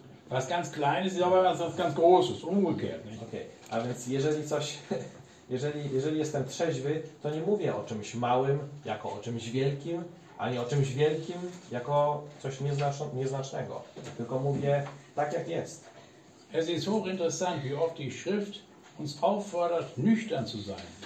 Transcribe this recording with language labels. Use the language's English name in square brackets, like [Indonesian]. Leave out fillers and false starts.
[German] Was ganz kleines, ist aber was ganz großes. Umgekehrt. [Polish] Okay. A więc jeżeli coś... Jeżeli jestem trzeźwy, to nie mówię o czymś małym jako o czymś wielkim, ani o czymś wielkim jako coś nieznacznego. Tylko mówię tak, jak jest. [German] Es ist hochinteressant, wie oft die Schrift uns auffordert, nüchtern zu sein.